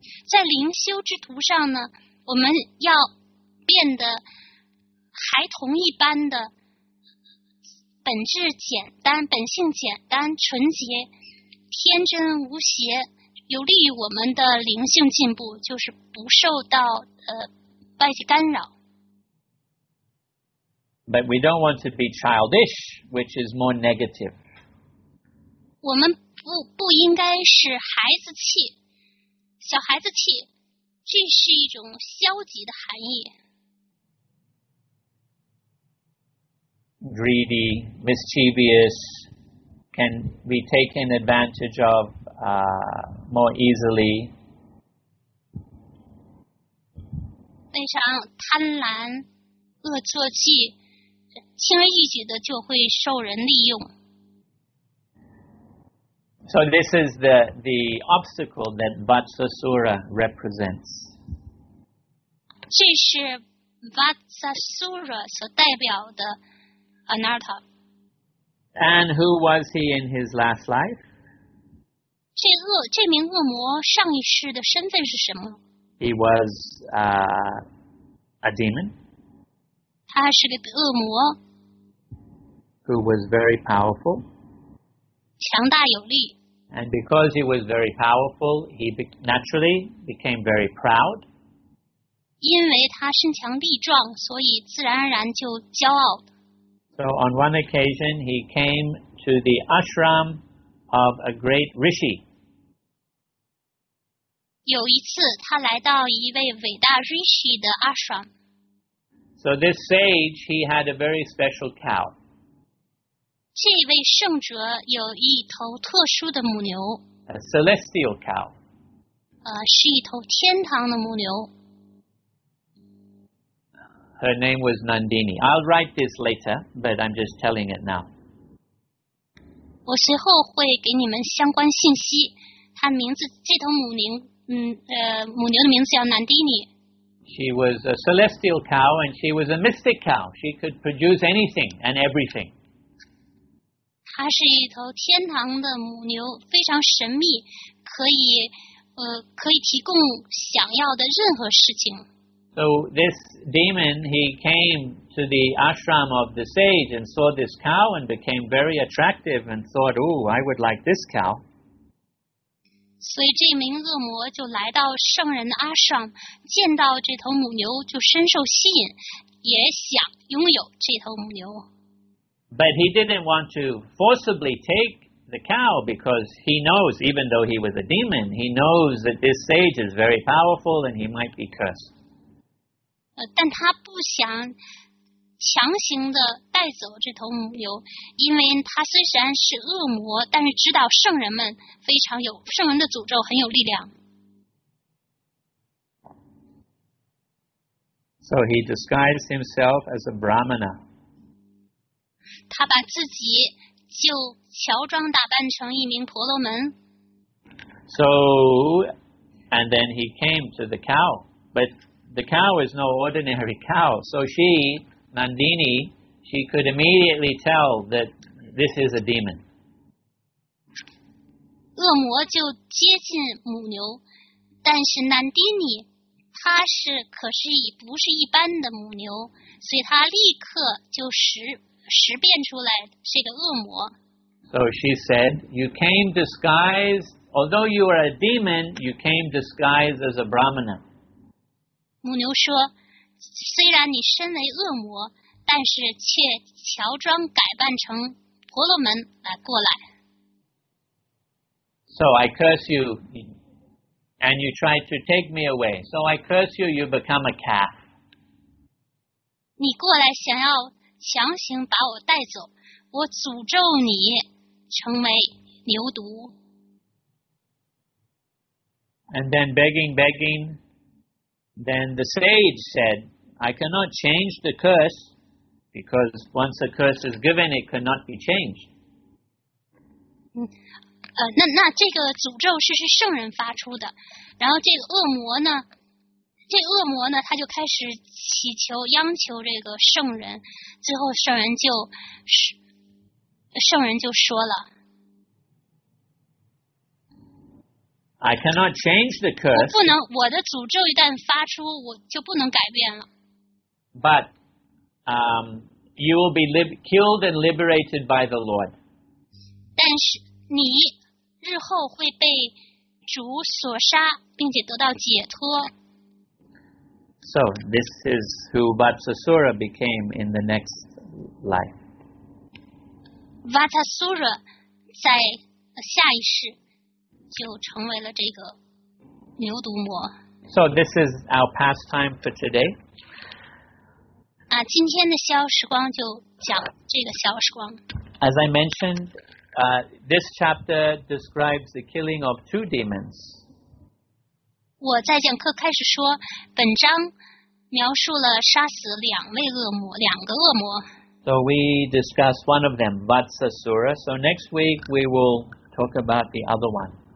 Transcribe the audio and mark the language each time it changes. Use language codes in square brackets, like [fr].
[zh] 在灵修之途上呢，我们要变得孩童一般的本质简单，本性简单，纯洁，天真无邪，有利于我们的灵性进步，就是不受到外界干扰。 [en] But we don't want to be childish, which is more negative. [zh] 我们不应该是孩子气，小孩子气，这是一种消极的含义。 [en] Greedy, mischievous, can be taken advantage of more easily. [zh] 非常贪婪，恶作剧，轻而易举的就会受人利用。 [en] So this is the obstacle that Vatsasura represents. [zh] 这是 Vatsasura 所代表的Anatta. [en] And who was he in his last life? [zh] 这名恶魔上一世的身份是什么？ [en] He was a demon. [zh] 他是个恶魔。 [en] Who was very powerful. [zh] 强大有力。 [en] And because he was very powerful, he naturally became very proud. [zh] 因为他身强力壮，所以自然而然就骄傲。 [en] So on one occasion, he came to the ashram of a great rishi. [zh] 有一次，他来到一位伟大 rishi 的 ashram. [en] So this sage, he had a very special cow. [zh] 这位圣者有一头特殊的母牛。 [en] A celestial cow. [zh] 是一头天堂的母牛。 [en] Her name was Nandini. I'll write this later, but I'm just telling it now. [zh] 我随后会给你们相关信息。她名字，这头母牛，母牛的名字叫 Nandini. [en] She was a celestial cow, and she was a mystic cow. She could produce anything and everything. [zh] 她是一头天堂的母牛，非常神秘，可以提供想要的任何事情。 [en] So this demon, he came to the ashram of the sage and saw this cow and became very attractive and thought, "Ooh, I would like this cow." [zh] 所以这名恶魔就来到圣人的 ashram， 见到这头母牛就深受吸引，也想拥有这头母牛。 [en] But he didn't want to forcibly take the cow because he knows, even though he was a demon, he knows that this sage is very powerful and he might be cursed. [zh] 但他不想强行的带走这头母牛，因为他虽然是恶魔，但是知道圣人们非常有圣人的诅咒很有力量。 [en] So he disguised himself as a brahmana. [zh] 他把自己就乔装打扮成一名婆罗门。 [en] So, and then he came to the cow, but. The cow is no ordinary cow, so she, Nandini, She could immediately tell that this is a demon. [zh] 恶魔就接近母牛，但是南迪尼，他是可是以不是一般的母牛，所以他立刻就识辨出来是个恶魔。 [en] So she said, "You came disguised, although you are a demon, you came disguised as a brahmana." [zh] 母牛说，虽然你身为恶魔，但是却乔装改扮成婆罗门来过来。 [en] So I curse you, and you try to take me away. So I curse you, you become a calf. [zh] 你过来想要强行把我带走，我诅咒你成为牛犊。 [en] And then begging, then the sage said, "I cannot change the curse." Because once a curse is given, it cannot be changed. [zh] 那这个诅咒是圣人发出的，然后这恶魔呢，他就开始祈求央求这个圣人，最后圣人就说了 [en] ，I cannot change the curse. [zh] 我不能，我的诅咒一旦发出，我就不能改变了。 [en] But, you will be killed and liberated by the Lord. [zh] 但是你日后会被主所杀，并且得到解脱。 [en] So this is who Vatsasura became in the next life. [zh] Vatsasura 在下一世就成为了这个牛犊魔。 [en] So this is our pastime for today. [zh] 今天的消时光就讲这个消时光。 [en] As I mentioned, this chapter describes the killing of two demons. [zh] 我在讲课开始说，本章描述了杀死两位恶魔，两个恶魔。 [en] So we discuss one of them, Vatsasura. So next week we will talk about the other one.